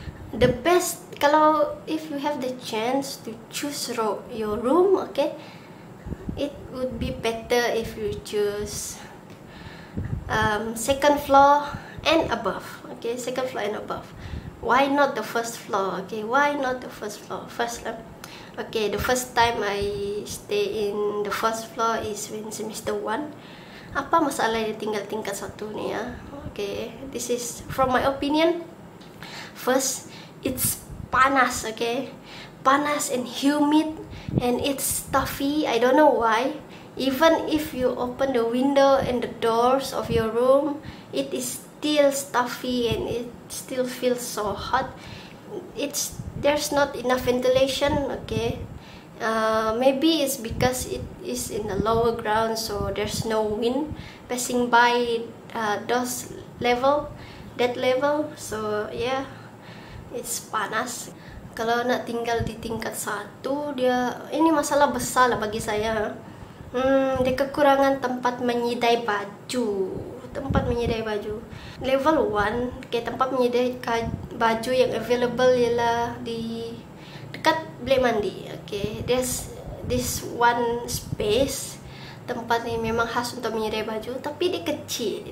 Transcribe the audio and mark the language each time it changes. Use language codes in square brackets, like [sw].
[en] The best, [ms] kalau [en] if you have the chance to choose your room, okay, it would be better if you choose second floor and above, okay, second floor and above. Why not the first floor, okay, why not the first floor? First lah, okay, the first time I stay in the first floor is when semester 1. [ms] Apa masalah dia tinggal tingkat 1 ni ya? [en] Okay, this is from my opinion. First, it's panas, okay? Panas and humid and it's stuffy. I don't know why. Even if you open the window and the doors of your room, it is still stuffy and it still feels so hot. There's not enough ventilation, okay? Maybe it's because it is in the lower ground, so there's no wind passing by that level. So yeah, it's panas. [ms] kalau nak tinggal di tingkat satu, dia ini masalah besar lah bagi saya. Dia kekurangan tempat menyidai baju. Tempat menyidai baju. Level 1, kayak tempat menyidai baju yang available ialah di dekat bilik mandi. [en] Okay, there's this one space. [ms] Tempat ni memang khas untuk menyidai baju, tapi dia kecil.